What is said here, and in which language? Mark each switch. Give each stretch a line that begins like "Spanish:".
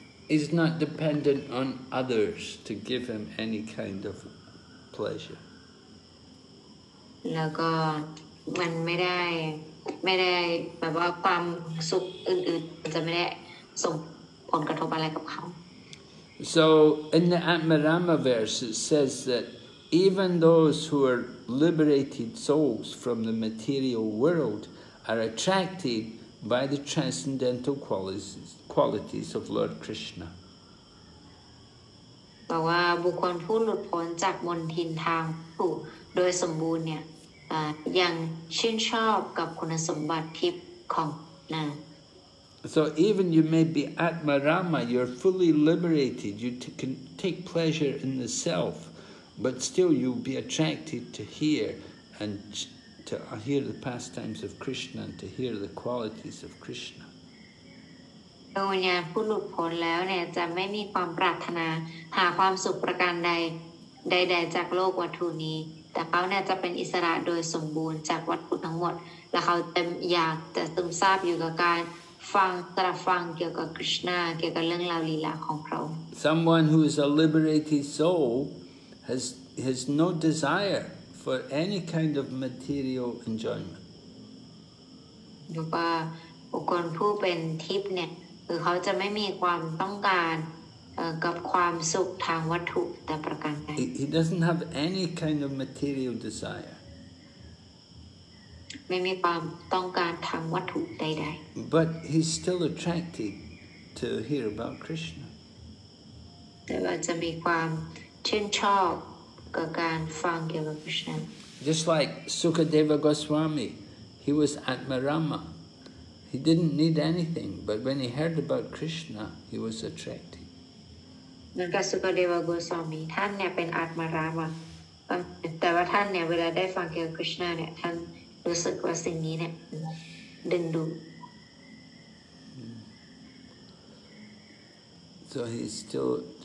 English: He's not dependent on others to give him any kind of pleasure.
Thai: แล้วก็มันไม่ได้แบบว่าความสุขอื่นๆจะไม่ได้ส่งผลกระทบอะไรกับเขา
English: So in the Atmarama verse it says that even those who are liberated souls from the material world are attracted by the transcendental qualities of Lord Krishna
Thai: บอกว่าบุคคลผู้หลุดพ้นจากมนทินทางผู้โดยสมบูรณ์เนี่ยยังชื่นชอบกับคุณสมบัติทิพย์ของนาง
English: So even you may be Atmarama, you're fully liberated, you can take pleasure in the self, but still you'll be attracted to hear and to hear the pastimes of Krishna and to hear the qualities of Krishna.
Thai: ดวงวิญญาณผู้หลุดพ้นแล้วเนี่ยจะไม่มีความปรารถนาหาความสุขประการใดใดๆจากโลกวัตถุนี้แต่เขาเนี่ยจะเป็นอิสระโดยสมบูรณ์จากวัตถุทั้งหมดและเขาเต็มอยากจะซึมซาบอยู่กับการฟังตรัสฟังเกี่ยวกับคริสต์นาเกี่ยวกับเรื่องราวลีลาของพระองค์
English: Someone who is a liberated soul has no desire for any kind of material enjoyment.
Thai: ดูป่ะบุคคลผู้เป็นทิพย์เนี่ยคือเขาจะไม่มีความต้องการกับความสุขทางวัตถุแต่ประการใด
English: He doesn't have any kind of material desire.
Thai: ไม่มีความต้องการทางวัตถุใด
English: ๆ But he's still attracted to hear about Krishna.
Thai: แต่ว่าจะมีความชื่นชอบกับการฟังเกี่ยวกับ Krishna.
English: Just like Sukadeva Goswami, he was Atmarama. He didn't need anything, but when he heard about Krishna, he was attracted. Like Sukadeva Goswami, he was an Atmarama. But when he heard about Krishna, he felt that this was attracted.